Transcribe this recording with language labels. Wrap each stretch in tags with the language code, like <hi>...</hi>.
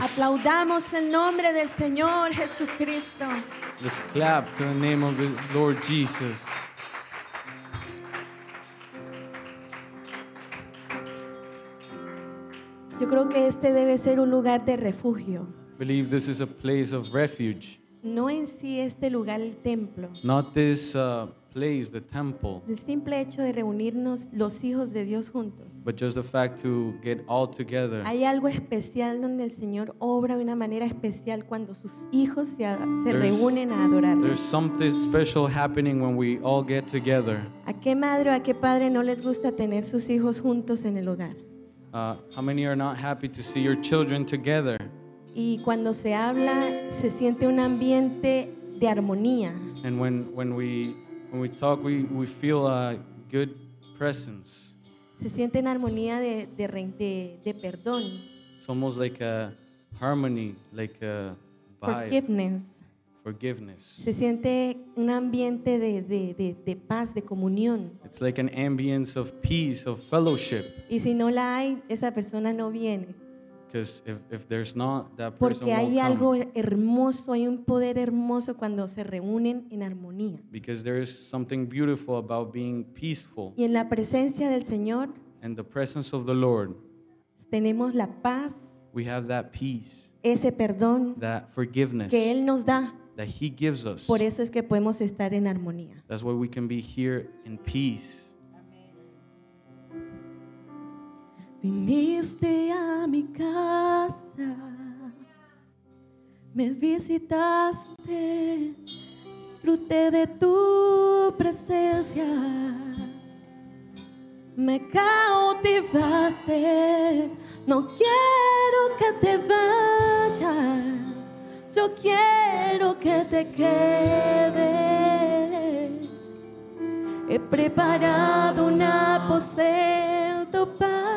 <es>Aplaudamos el nombre del Señor Jesucristo.</es> <en>Let's clap to the name of the Lord Jesus.</en> <es>Yo creo que este debe ser un lugar de refugio.</es> <en>I believe this is a place of refuge.</en> <es>No en sí este lugar, el templo.</es> <en>Not this place, the temple.</en> <es>El simple hecho de reunirnos los hijos de Dios juntos.</es> <en>But just the fact to get all together.</en> <es>Hay algo especial donde el Señor obra de una manera especial cuando sus hijos se reúnen a adorar.</es> <en>There's something special happening when we all get together.</en> <es>¿A qué madre o a qué padre no les gusta tener sus hijos juntos en el hogar?</es> <en>How many are not happy to see your children together?</en> <es>Y cuando se habla, se siente un ambiente de armonía.</es> <en>And when we talk, we feel a good presence.</en> <es>Se siente en armonía de perdón.</es> <en>It's almost like a harmony, like a vibe. Forgiveness.</en> <es>Se siente un ambiente de paz, de comunión.</es> <en>It's like an ambience of peace, of fellowship.</en> <es>Y si no la hay, esa persona no viene.</es> <en>Because if there's not, that person</en> <es>porque hay</es> <en>won't</en> <es>algo</es> <en>come.</en> <es>Hermoso, hay un poder hermoso cuando se reúnen en armonía.</es> <en>Because there is something beautiful about being peaceful.</en> <es>Y en la presencia del Señor,</es> <en>and the presence of the Lord,</en> <es>tenemos la paz.</es> <en>We have that peace.</en> <es>Ese perdón,</es> <en>that forgiveness,</en> <es>que Él nos da.</es> <en>That He gives us.</en> <es>Por eso es que podemos estar en armonía.</es> <en>That's why we can be here in peace.</en> <es>Viniste a mi casa, me visitaste, disfruté de tu presencia, me cautivaste, no quiero que te vayas, yo quiero que te quedes, he preparado un aposento para</es>